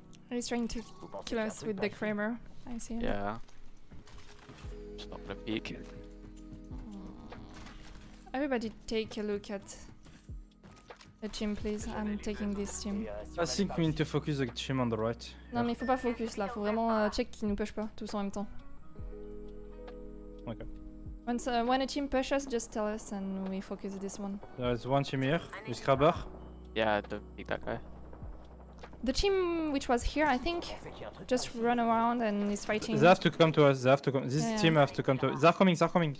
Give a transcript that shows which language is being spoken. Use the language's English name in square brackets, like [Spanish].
[English] He's trying to kill us with the Kramer. I see him. Yeah. Just not gonna peek. Everybody take a look at the team, please. I'm taking this team. I think we need to focus the team on the right. [French] Non, mais faut pas focus là. Faut vraiment check qu'ils nous push pas tous en même temps. [English] Okay. Once, when a team pushes, just tell us and we focus this one. There is one team here, with Scrabber. Yeah, don't pick that guy. The team which was here, I think, just run around and is fighting. They have to come to us. They have to come. This team have to come to us. They're coming.